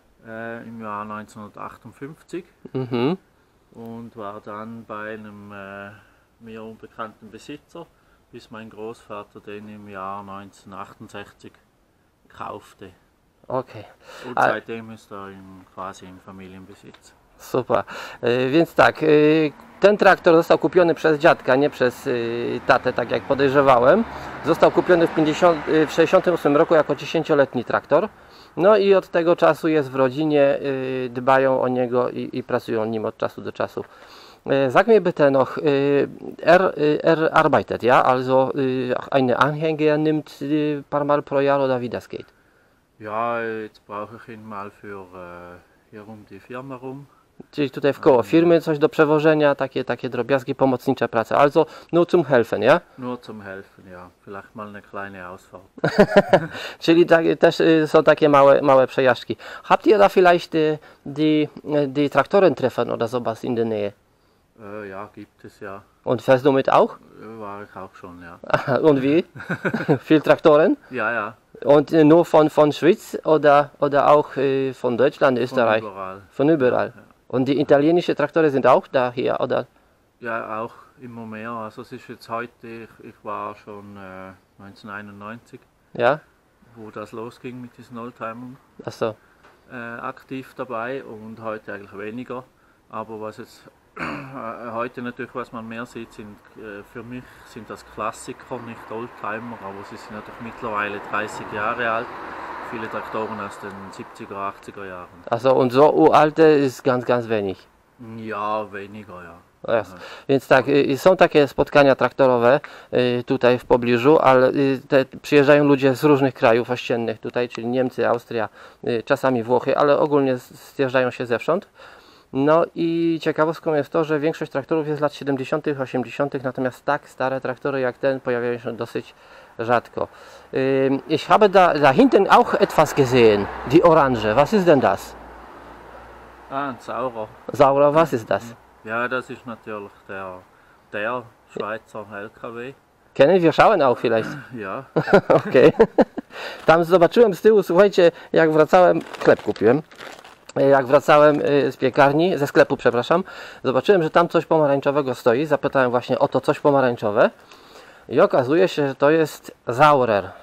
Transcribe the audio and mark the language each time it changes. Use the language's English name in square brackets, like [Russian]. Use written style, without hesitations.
[German] Im Jahr 1958 und war dann bei einem mir unbekannten Besitzer, bis mein Großvater den im Jahr 1968 kaufte. Okay. Und seitdem ist er quasi im Familienbesitz. Super. [Polish] Więc tak, ten traktor został kupiony przez dziadka, nie przez tatę, tak jak podejrzewałem. Został kupiony w 68 roku jako 10-letni traktor. No i od tego czasu jest w rodzinie, dbają o niego i pracują nim od czasu do czasu. [German] Sag mir bitte noch, er arbeitet, ja? Also eine Anhänger nimmt ein paar Mal pro Jahr oder wie das geht? Ja, jetzt brauche ich ihn mal für hier um die Firma rum. [Polish] Czyli tutaj w koło firmy coś do przewożenia, takie drobiazgi, pomocnicze prace. [German] Also nur zum helfen, ja? Nur zum helfen, ja. Vielleicht mal eine kleine Ausfahrt. [Polish] Czyli tak, też są takie małe przejażdżki. [German] Habt ihr da vielleicht die Traktoren treffen oder sowas in der Nähe? Ja, gibt es ja. Und fährst du mit auch? War ich auch schon, ja. Und wie? Viel Traktoren? Ja, ja. Und nur von Schweiz oder auch von Deutschland, Österreich? Von überall. Von überall. Ja. Und die italienischen Traktoren sind auch da hier, oder? Ja, auch immer mehr. Also es ist jetzt heute, ich war schon 1991, ja? Wo das losging mit diesen Oldtimern. Ach so. Aktiv dabei und heute eigentlich weniger. Aber was jetzt heute natürlich, was man mehr sieht, sind für mich sind das Klassiker, nicht Oldtimer, aber sie sind natürlich mittlerweile 30 Jahre alt. Viele Traktoren aus den 70er, 80er Jahren. Also und so uralte ist ganz, ganz wenig? Ja, weniger, ja. [Polish] Jest. Więc tak, są takie spotkania traktorowe tutaj w pobliżu, ale te przyjeżdżają ludzie z różnych krajów ościennych tutaj, czyli Niemcy, Austria, czasami Włochy, ale ogólnie zjeżdżają się zewsząd. No i ciekawostką jest to, że większość traktorów jest z lat 70., 80., natomiast tak stare traktory jak ten pojawiają się dosyć rzadko. [German] Ich habe da hinten auch etwas gesehen. Die Orange. Was ist denn das? Ah, ein Saurer. Saurer, was ist das? Ja, das ist natürlich der Schweizer LKW. Kennen wir schauen auch vielleicht? Ja. Okay. [Polish] Tam zobaczyłem z tyłu, słuchajcie, jak wracałem, chleb kupiłem. Jak wracałem z piekarni, ze sklepu, przepraszam, zobaczyłem, że tam coś pomarańczowego stoi. Zapytałem właśnie o to coś pomarańczowe. I okazuje się, że to jest Saurer.